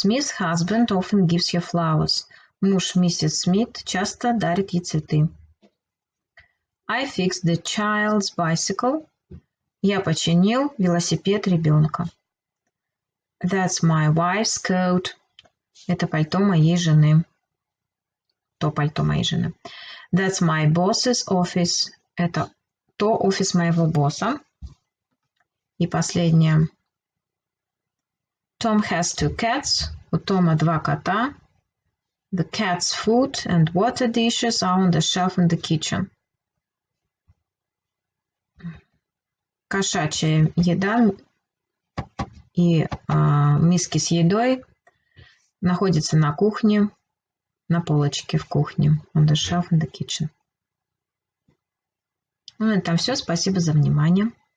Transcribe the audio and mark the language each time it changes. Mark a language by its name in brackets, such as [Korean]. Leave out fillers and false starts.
[English] Smith's husband often gives you flowers. [Russian] Муж миссис Смит часто дарит ей цветы. [English] I fixed the child's bicycle. [Russian] Я починил велосипед ребенка. [English] That's my wife's coat. [Russian] Это пальто моей жены. То пальто моей жены. [English] That's my boss's office. [Russian] Это то офис моего босса. И последнее. [English] Tom has two cats. [Russian] У Тома два кота. [English] The cat's food and water dishes are on the shelf in the kitchen. [Russian] Кошачья еда и миски с едой находятся на кухне, на полочке в кухне. [English] On the shelf in the kitchen. [Russian] Ну, это все. Спасибо за внимание.